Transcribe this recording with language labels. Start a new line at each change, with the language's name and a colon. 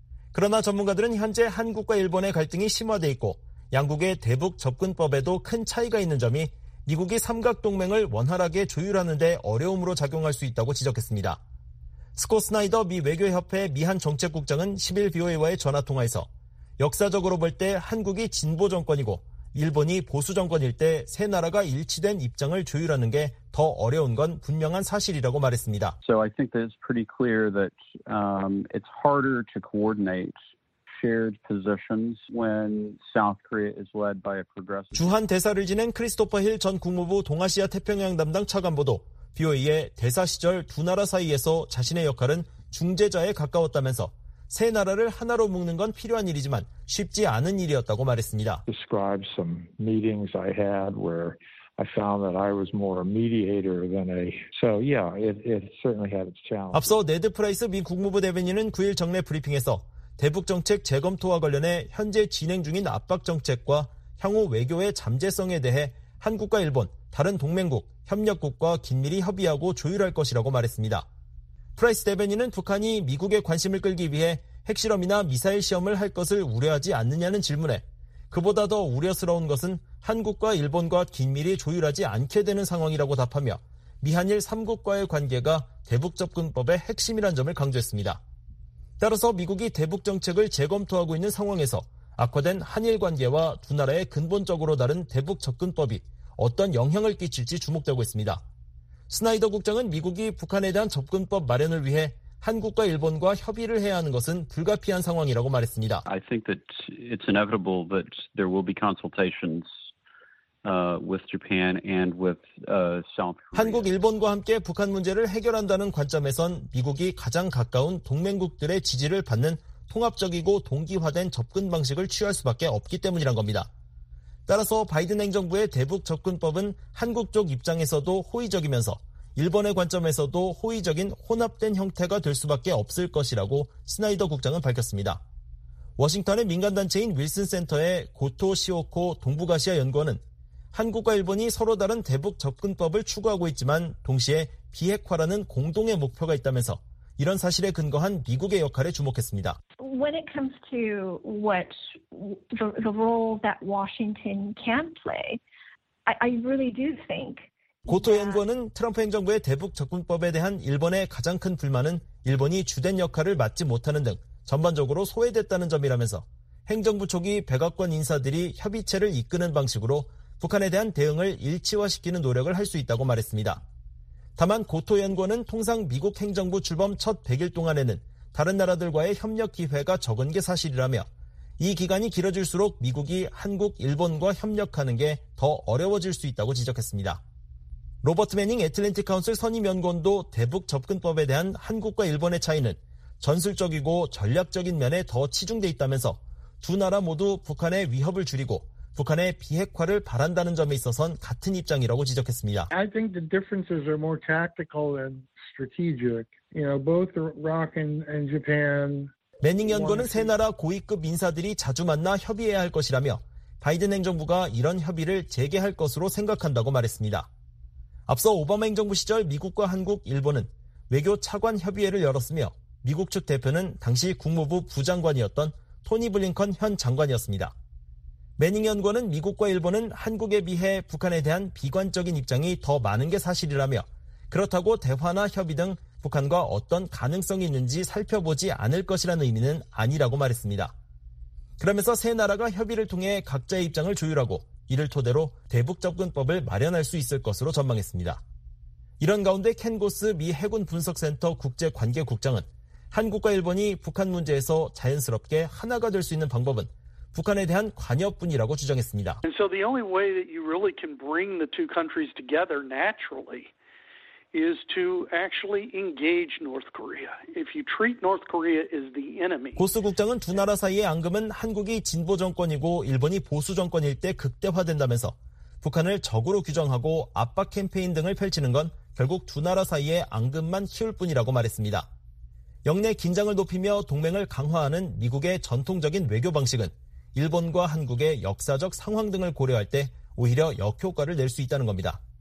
Korean: 그러나 전문가들은 현재 한국과 일본의 갈등이 심화돼 있고 양국의 대북 접근법에도 큰 차이가 있는 점이 미국이 삼각동맹을 원활하게 조율하는 데 어려움으로 작용할 수 있다고 지적했습니다. 스콧 스나이더 미 외교협회 미한정책국장은 10일 BOA와의 전화통화에서 역사적으로 볼 때 한국이 진보 정권이고 일본이 보수 정권일 때 세 나라가 일치된 입장을 조율하는 게 더 어려운 건 분명한 사실이라고 말했습니다.
English: So I think that it's pretty clear that it's harder to coordinate shared positions when South Korea is led by a progressive.
Korean: 주한 대사를 지낸 크리스토퍼 힐 전 국무부 동아시아 태평양 담당 차관보도 BOA의 대사 시절 두 나라 사이에서 자신의 역할은 중재자에 가까웠다면서 세 나라를 하나로 묶는 건 필요한 일이지만 쉽지 않은 일이었다고 말했습니다.
English: Describe some meetings I had where I found that I was more a mediator than a. So yeah, it certainly had its challenge.
Korean: 앞서 네드 프라이스 미 국무부 대변인은 9일 정례 브리핑에서 대북 정책 재검토와 관련해 현재 진행 중인 압박 정책과 향후 외교의 잠재성에 대해 한국과 일본, 다른 동맹국, 협력국과 긴밀히 협의하고 조율할 것이라고 말했습니다. 프라이스 대변인은 북한이 미국의 관심을 끌기 위해 핵실험이나 미사일 시험을 할 것을 우려하지 않느냐는 질문에 그보다 더 우려스러운 것은 한국과 일본과 긴밀히 조율하지 않게 되는 상황이라고 답하며 미한일 3국과의 관계가 대북 접근법의 핵심이란 점을 강조했습니다. 따라서 미국이 대북 정책을 재검토하고 있는 상황에서 악화된 한일 관계와 두 나라의 근본적으로 다른 대북 접근법이 어떤 영향을 끼칠지 주목되고 있습니다. 스나이더 국장은 미국이 북한에 대한 접근법 마련을 위해 한국과 일본과 협의를 해야 하는 것은 불가피한 상황이라고 말했습니다.
English: I think that it's inevitable that there will be consultations with Japan and with South Korea.
Korean: 한국, 일본과 함께 북한 문제를 해결한다는 관점에선 미국이 가장 가까운 동맹국들의 지지를 받는 통합적이고 동기화된 접근 방식을 취할 수밖에 없기 때문이란 겁니다. 따라서 바이든 행정부의 대북 접근법은 한국 쪽 입장에서도 호의적이면서 일본의 관점에서도 호의적인 혼합된 형태가 될 수밖에 없을 것이라고 스나이더 국장은 밝혔습니다. 워싱턴의 민간단체인 윌슨 센터의 고토 시오코 동북아시아 연구원은 한국과 일본이 서로 다른 대북 접근법을 추구하고 있지만 동시에 비핵화라는 공동의 목표가 있다면서 이런 사실에 근거한 미국의 역할에 주목했습니다.
English: When it comes to what the role that Washington can play, I really do think.
Korean: 고토 연구원은 트럼프 행정부의 대북 접근법에 대한 일본의 가장 큰 불만은 일본이 주된 역할을 맡지 못하는 등 전반적으로 소외됐다는 점이라면서 행정부 초기 백악관 인사들이 협의체를 이끄는 방식으로 북한에 대한 대응을 일치화시키는 노력을 할 수 있다고 말했습니다. 다만 고토 연구원은 통상 미국 행정부 출범 첫 100일 동안에는 다른 나라들과의 협력 기회가 적은 게 사실이라며 이 기간이 길어질수록 미국이 한국, 일본과 협력하는 게 더 어려워질 수 있다고 지적했습니다. 로버트 매닝 애틀랜틱 카운슬 선임 연구원도 대북 접근법에 대한 한국과 일본의 차이는 전술적이고 전략적인 면에 더 치중돼 있다면서 두 나라 모두 북한의 위협을 줄이고 북한의 비핵화를 바란다는 점에 있어서는 같은 입장이라고 지적했습니다.
English: I think the differences are more tactical than strategic. You know, both Iraq and Japan.
Korean: 매닝 연구원은 세 나라 고위급 인사들이 자주 만나 협의해야 할 것이라며 바이든 행정부가 이런 협의를 재개할 것으로 생각한다고 말했습니다. 앞서 오바마 행정부 시절 미국과 한국, 일본은 외교 차관 협의회를 열었으며 미국 측 대표는 당시 국무부 부장관이었던 토니 블링컨 현 장관이었습니다. 매닝 연구원은 미국과 일본은 한국에 비해 북한에 대한 비관적인 입장이 더 많은 게 사실이라며 그렇다고 대화나 협의 등 북한과 어떤 가능성이 있는지 살펴보지 않을 것이라는 의미는 아니라고 말했습니다. 그러면서 세 나라가 협의를 통해 각자의 입장을 조율하고 이를 토대로 대북 접근법을 마련할 수 있을 것으로 전망했습니다. 이런 가운데 켄고스 미 해군 분석센터 국제관계국장은 한국과 일본이 북한 문제에서 자연스럽게 하나가 될 수 있는 방법은 북한에 대한 관여뿐이라고 주장했습니다.
English: And so the only way that you really can bring the two countries together naturally is to actually engage North Korea. If you treat North Korea as the enemy.
Korean: 고스 국장은 두 나라 사이의 앙금은 한국이 진보 정권이고 일본이 보수 정권일 때 극대화된다면서 북한을 적으로 규정하고 압박 캠페인 등을 펼치는 건 결국 두 나라 사이의 앙금만 키울 뿐이라고 말했습니다. 영내 긴장을 높이며 동맹을 강화하는 미국의 전통적인 외교 방식은 일본과 한국의 역사적 상황 등을 고려할 때 오히려 역효과를 낼 수 있다는 겁니다.